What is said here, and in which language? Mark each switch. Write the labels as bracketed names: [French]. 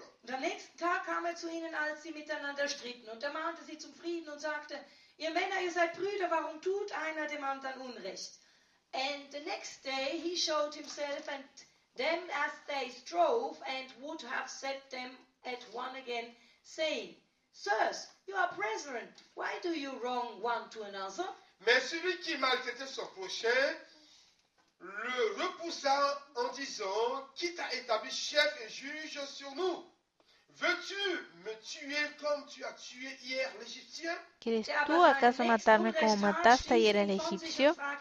[German] Am nächsten Tag kam zu ihnen, als sie miteinander stritten, und mahnte sie zum Frieden und sagte: ihr Männer, ihr seid Brüder, warum tut einer dem anderen Unrecht? [English] And the next day he showed himself and them as they strove and would have set them at one again, saying: sirs, you are brethren, why do you wrong one to another? [French] Mais celui qui maltraitait son prochain le repoussa en disant: qui t'a établi chef et juge sur nous? Veux-tu me tuer comme tu as tué hier l'Égyptien? [Spanish] ¿Quieres tú acaso matarme como mataste ayer al egipcio?